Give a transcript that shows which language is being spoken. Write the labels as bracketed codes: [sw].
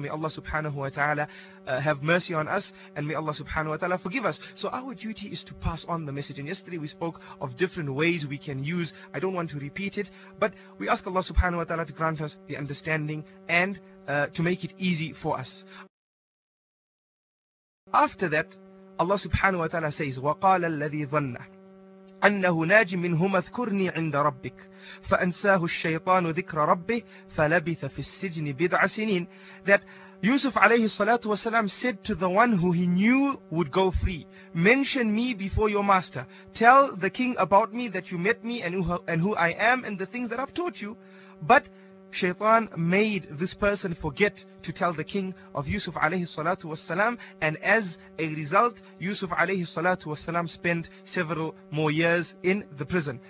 [en] May Allah subhanahu wa ta'ala have mercy on us, and may Allah subhanahu wa ta'ala forgive us. So our duty is to pass on the message. And yesterday we spoke of different ways we can use. I don't want to repeat it, but we ask Allah subhanahu wa ta'ala to grant us the understanding and to make it easy for us. After that, Allah subhanahu wa ta'ala says, [ar] وَقَالَ الَّذِي ظَنَّ أَنَّهُ نَاجٍ مِّنْهُمَ اذْكُرْنِي عِنْدَ رَبِّكَ فَأَنْسَاهُ الشَّيْطَانُ ذِكْرَ رَبِّهِ فَلَبِثَ فِي السِّجْنِ بِضْعَ سِنِينَ. [en] That Yusuf alayhi salatu wasalam said to the one who he knew would go free, mention me before your master. Tell the king about me, that you met me and who I am and the things that I've taught you. But Shaytan made this person forget to tell the king of Yusuf alayhi salatu wasalam, and as a result, Yusuf alayhi salatu wasalam spent several more years in the prison.